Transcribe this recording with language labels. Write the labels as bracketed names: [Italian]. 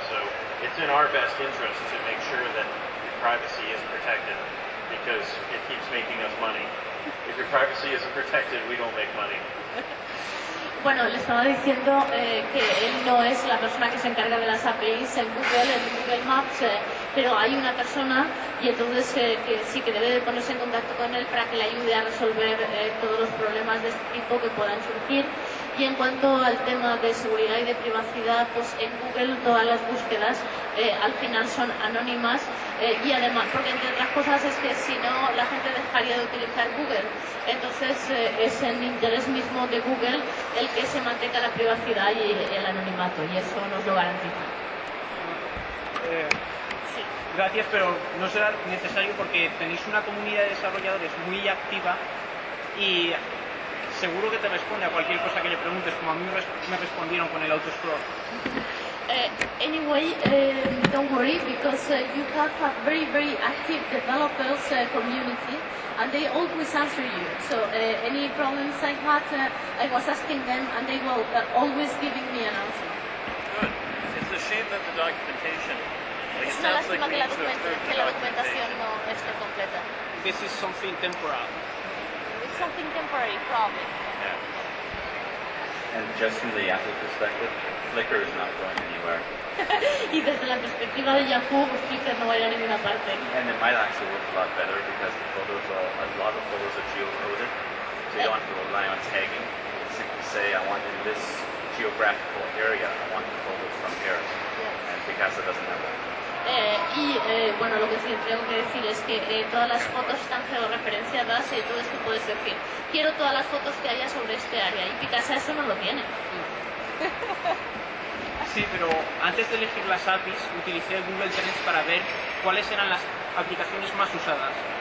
[English] So it's in our best interest to make sure that privacy is protected, because it keeps making us money. If your privacy isn't protected, we don't make money. [Spanish] Bueno, le estaba diciendo que él no es la persona que se encarga de las APIs en Google Maps, pero hay una persona y entonces que sí que debe de ponerse en contacto con él para que le ayude a resolver todos los problemas de este tipo que puedan surgir. Y en cuanto al tema de seguridad y de privacidad, pues en Google todas las búsquedas al final son anónimas y además, porque entre otras cosas es que si no la gente dejaría de utilizar Google. Entonces es en interés mismo de Google el que se mantenga la privacidad y el anonimato, y eso nos lo garantiza. Gracias, pero no será necesario porque tenéis una comunidad de desarrolladores muy activa y seguro que te responde a cualquier cosa que le preguntes, como a mí me respondieron con el autoexplorer. [English] Anyway, don't worry, because you have a very, very active developers community, and they always answer you. So any problems I had, I was asking them, and they were always giving me an answer. Good. It's a shame that the documentation. [Spanish] Es una lástima que la documentación no esté completa. [English] This is something temporary. It's something temporary, probably. Yeah. And just from the Yahoo perspective, Flickr is not going anywhere. [Spanish] Y desde la perspectiva de Yahoo, Flickr no va a ir a ninguna parte. [English] And it might actually work a lot better because the photos are, a lot of photos are geocoded. So you don't have to rely on tagging. Simply say, I want in this geographical area, I want the photos from here. Yes. And Picasso doesn't have that. [Spanish] Y bueno, lo que sí tengo que decir es que todas las fotos están georreferenciadas y entonces tú puedes decir, quiero todas las fotos que haya sobre este área, y Picasa eso no lo tiene. Sí, pero antes de elegir las APIs, utilicé Google Trends para ver cuáles eran las aplicaciones más usadas.